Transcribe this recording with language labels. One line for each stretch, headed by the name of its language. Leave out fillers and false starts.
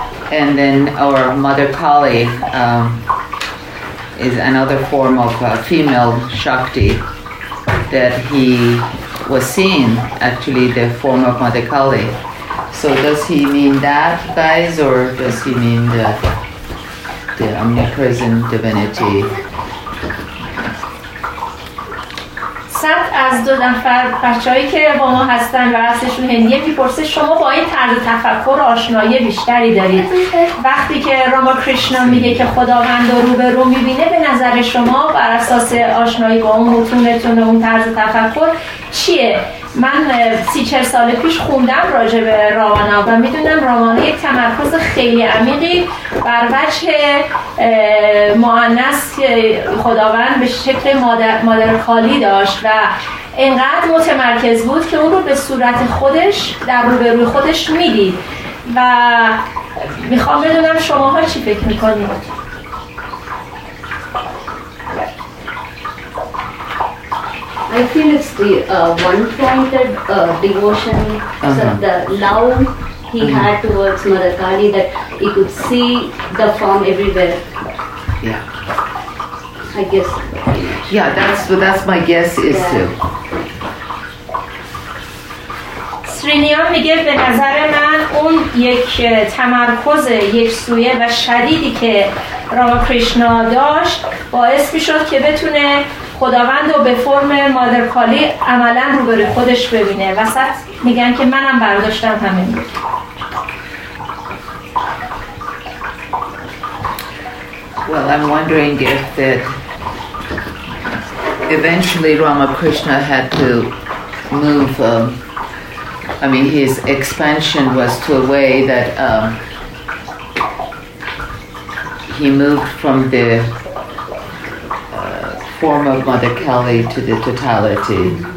English: And then our Mother Kali is another form of female Shakti that he was seen, actually, the form of Mother Kali. So does he mean that, guys, or does he mean the omnipresent divinity?
Persian: صد از دو نفر بچه‌ای که با ما هستن و اصلشون هندیه میپرسه شما با این طرز تفکر آشنایی بیشتری دارید. وقتی که راماکریشنا میگه که خداوند رو به رو میبینه به نظر شما بر اساس آشنایی با اون متونتون و اون طرز تفکر چیه؟ من 30-40 سال پیش خوندم راجع به راوانا و میدونم راوانا یک تمرکز خیلی عمیقی بر وجه مؤنث خداوند به شکل مادر کالی داشت و اینقدر متمرکز بود که اون رو به صورت خودش در روبروی خودش میدید و میخوام بدونم شماها چی فکر میکنید؟
English: I feel it's the one-pointed devotion, so the love he had towards Mother Kali, that he could see the form everywhere. Yeah. I guess. Yeah, that's my guess is too.
Persian: سرینیان میگه به نظر من اون یک تمرکز یک سویه و شدیدی که راماکریشنا داشت باعث میشد که بتونه خداوند رو به فرم مادر کالی عملا روبروی خودش ببینه و سخت میگن که منم برداشتم همین.
English: Well, I'm wondering if that eventually Ramakrishna had to move I mean, his expansion was to a way that he moved from the form of Mother Kali to the totality.